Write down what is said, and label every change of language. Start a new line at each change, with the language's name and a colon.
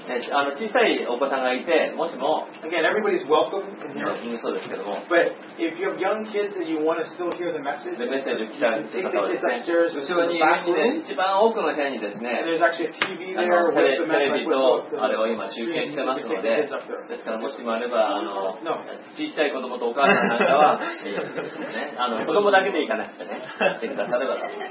Japanese: 小さいお子さんがいて、もしも。
English: Again, everybody's welcome in here.
Japanese: そうですけども。
English: But if you have young kids and you want to still hear the message,
Japanese: メッセージを聞きたい方はですね、後ろに行って、一番奥の部屋にですね、
English: There's actually a TV there with the message to all the
Japanese: 今集計してますので、ですからもしもあれば、あの小さい子供とお母さんなんかは、ね、あの子供だけでいかなくてね、してくださればと、